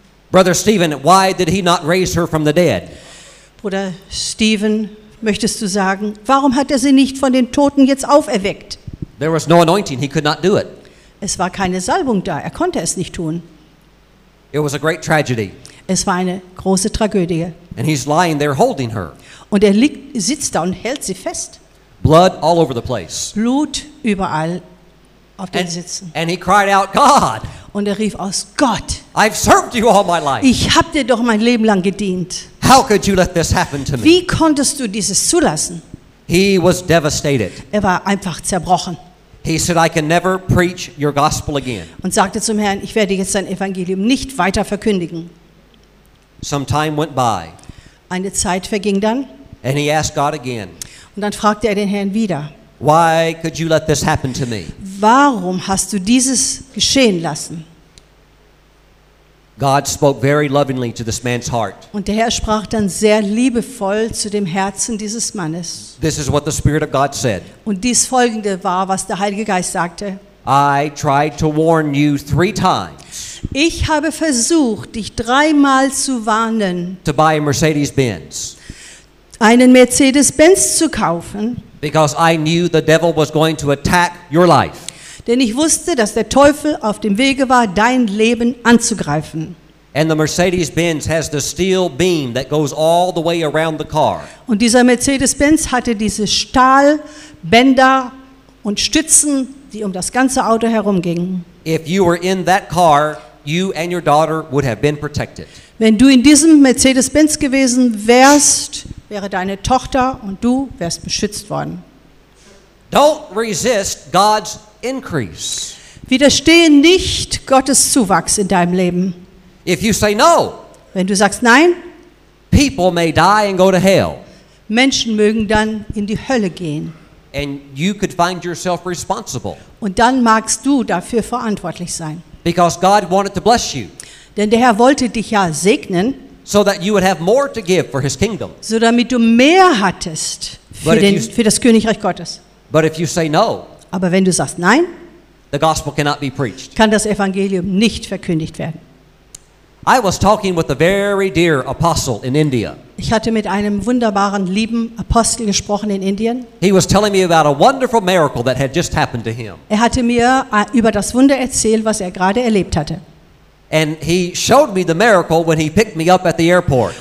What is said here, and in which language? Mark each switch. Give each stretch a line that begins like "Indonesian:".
English: Brother Stephen, why did he not raise her from the dead?
German: Bruder Stephen, möchtest du sagen, warum hat er sie nicht von den Toten jetzt auferweckt?
English: There was no anointing, he could not do it.
German: Es war keine Salbung da, er konnte es nicht tun.
English: It was a great tragedy.
German: Es war eine große Tragödie.
English: And he's lying there holding her.
German: Und er liegt, sitzt da und hält sie fest.
English: Blood all over the place.
German: Blut überall auf den Sitzen.
English: And he cried out, God!
German: Und er rief aus, Gott!
English: I've served you all my life.
German: Ich habe dir doch mein Leben lang gedient.
English: How could you let this happen to me?
German: Wie konntest du dieses zulassen?
English: He was devastated.
German: Er war einfach zerbrochen.
English: He said, I can never preach your gospel again.
German: Und sagte zum Herrn, ich werde jetzt dein Evangelium nicht weiter verkündigen.
English: Some time went by.
German: Eine Zeit verging dann.
English: And he asked God again.
German: Und dann fragte er den Herrn wieder.
English: Why could you let this happen to me?
German: Warum hast du dieses geschehen lassen?
English: God spoke very lovingly to this man's heart.
German: Und der Herr sprach dann sehr liebevoll zu dem Herzen dieses Mannes.
English: This is what the Spirit of God said.
German: Und dies folgende war, was der Heilige Geist sagte.
English: I tried to warn you three times.
German: Ich habe versucht, dich dreimal zu warnen.
English: To buy a Mercedes-Benz.
German: Einen Mercedes-Benz zu kaufen.
English: Because I knew the devil was going to attack your life.
German: Denn ich wusste, dass der Teufel auf dem Wege war, dein Leben anzugreifen.
English: And the Mercedes-Benz has the steel beam that goes all the way around the car.
German: Und dieser Mercedes-Benz hatte diese Stahlbänder und Stützen, die um das ganze Auto herumgingen.
English: If you were in that car, you and your daughter would have been protected.
German: Wenn du in diesem Mercedes-Benz gewesen wärst, wäre deine Tochter und du wärst beschützt worden.
English: Don't resist God's increase.
German: Widerstehe nicht Gottes Zuwachs in deinem Leben.
English: If you say no,
German: wenn du sagst nein,
English: people may die and go to hell.
German: Menschen mögen dann in die Hölle gehen.
English: And you could find yourself responsible.
German: Und dann magst du dafür verantwortlich sein.
English: Because God wanted to bless you.
German: Denn der Herr wollte dich ja segnen.
English: So that you would have more to give for his kingdom.
German: So damit du mehr hattest für das Königreich Gottes.
English: But if you say no,
German: aber wenn du sagst nein,
English: the gospel cannot be preached.
German: Kann das Evangelium nicht verkündigt werden.
English: I was talking with a very dear apostle in India.
German: Ich hatte mit einem wunderbaren lieben Apostel gesprochen in Indien.
English: He was telling me about a wonderful miracle that had just happened to him.
German: Er hatte mir über das Wunder erzählt, was er gerade erlebt hatte.
English: And he showed me the miracle when he picked me up at the airport.